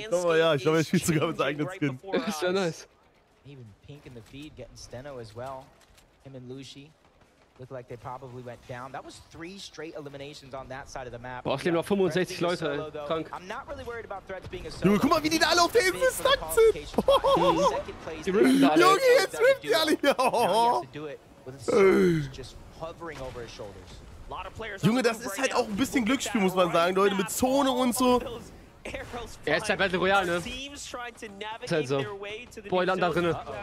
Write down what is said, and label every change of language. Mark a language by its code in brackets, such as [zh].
[de] Schau mal, ja, ich glaube, er spielt sogar mit seinem eigenen Skin. Das ist ja nice. [en] Even Pink in the feed getting Steno as well. Him and Lucy look like they probably went down. That was 3 straight eliminations on that side of the map. [de] Boah, es leben noch 65 Leute, ey. Krank. [en] I'm not really worried about threats being a solo. [de] Junge, guck mal, wie die da alle auf der Hilfe stackt sind. Die riffen alle. Junge, jetzt riffen die alle hier. Junge, das ist halt auch ein bisschen Glücksspiel, muss man sagen, Leute, mit Zone und so. Er ist ja Battle Royale, ne? Also. Boah, ich lande da drinnen.